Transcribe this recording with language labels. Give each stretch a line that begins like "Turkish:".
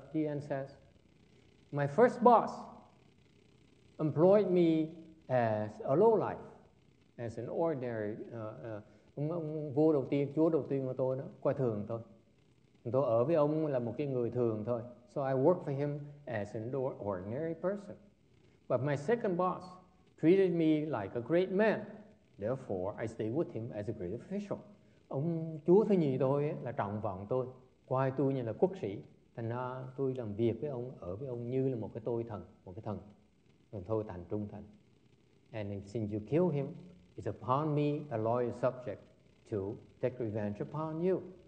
English: Dian says, my first boss employed me as a lowlife, as an ordinary,
Vietnamese: ông vua đầu tiên, chúa đầu tiên của tôi đó, coi thường tôi. Tôi ở với ông là một cái người thường thôi.
English: So I worked for him as an ordinary person. But my second boss treated me like a great man. Therefore, I stayed with him as a great official.
Vietnamese: Ông chúa thứ nhì tôi ấy, là trọng vọng tôi. Coi tôi như là quốc sĩ, thành ra tôi làm việc với ông, ở với ông như là một cái tôi thần, một cái thần. Mình thôi thành trung thành.
English: And since you kill him, it's upon me, a loyal subject, to take revenge upon you.